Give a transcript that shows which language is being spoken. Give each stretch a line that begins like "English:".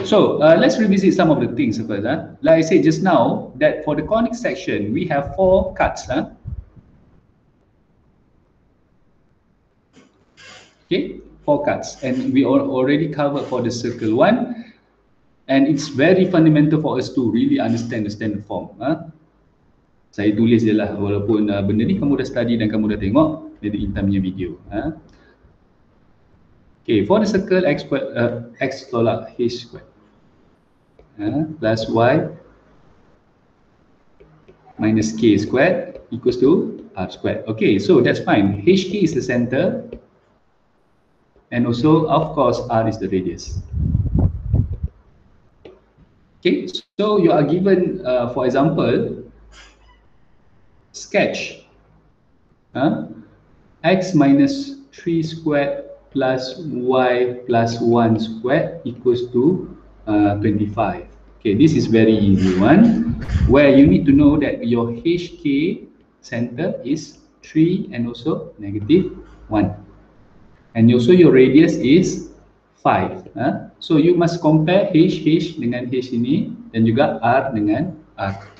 English: So, let's revisit some of the things first. Like I said just now, that for the conic section, we have 4 cuts. Okay? 4 cuts. And we already covered for the circle one. And it's very fundamental for us to really understand the standard form.
Malay: Saya tulis je lah, walaupun benda ni kamu dah study dan kamu dah tengok dari Intan punya video.
English: Okay, for the circle X, X tolak H squared plus Y minus K squared equals to R squared. Okay, so that's fine. HK is the center and also, of course, R is the radius. Okay, so you are given, for example, sketch x minus 3 squared plus y plus 1 squared equals to 25. Okay, this is very easy one where you need to know that your HK center is 3 and also negative 1 and also your radius is 5. So you must compare HH
Malay: dengan H ini dan juga R dengan R.